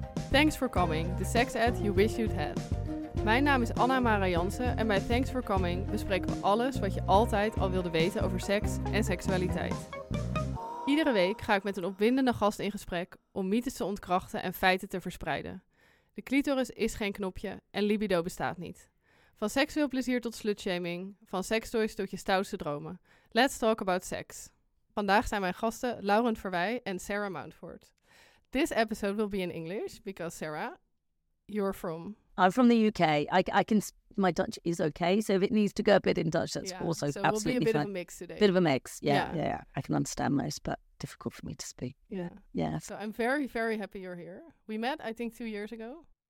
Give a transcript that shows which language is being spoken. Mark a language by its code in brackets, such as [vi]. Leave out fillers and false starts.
[en] Thanks for Coming, the sex ed you wish you'd had. [nl] Mijn naam is Anna Mara Jansen en bij Thanks for Coming bespreken we alles wat je altijd al wilde weten over seks en seksualiteit. Iedere week ga ik met een opwindende gast in gesprek om mythes te ontkrachten en feiten te verspreiden. De clitoris is geen knopje en libido bestaat niet. Van seksueel plezier tot slutshaming, van sekstoys tot je stoutste dromen. [en] Let's talk about sex. [nl] Vandaag zijn mijn gasten Lauren Verwij en Sarah Mountford. [en] This episode will be in English because Sarah, you're from... I'm from the UK. I can... My Dutch is okay. So if it needs to go a bit in Dutch, that's also so absolutely fine. So we'll be a bit of a mix today. Bit of a mix. Yeah. I can understand most, but difficult for me to speak. Yeah. So I'm very, very happy you're here. We met, I think, 2 years ago.